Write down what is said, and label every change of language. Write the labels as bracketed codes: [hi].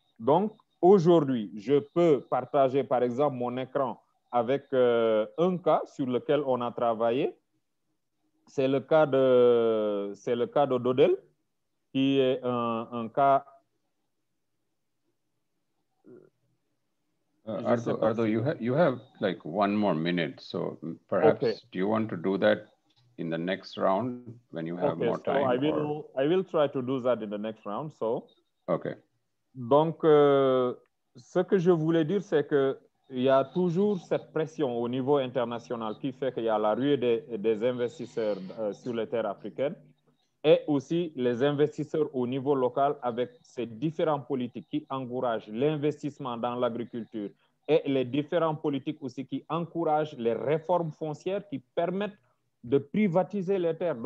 [fr] Donc, aujourd'hui, je peux partager, par exemple, mon écran avec un cas sur lequel on a travaillé. C'est le cas de Dodel, qui est un cas. [en] Ardo, you have like one more minute, so perhaps okay. Do you want to do that in the next round when you have okay, more time? I will try to do that in the next round. So. Okay. [fr] Donc, ce que je voulais dire, c'est que il y a toujours cette pression au niveau international qui fait qu'il y a la ruée des investisseurs sur les terres africaines et aussi les investisseurs au niveau local avec ces différentes politiques qui encouragent l'investissement dans l'agriculture et les différentes politiques aussi qui encouragent les réformes foncières qui permettent de privatiser les terres.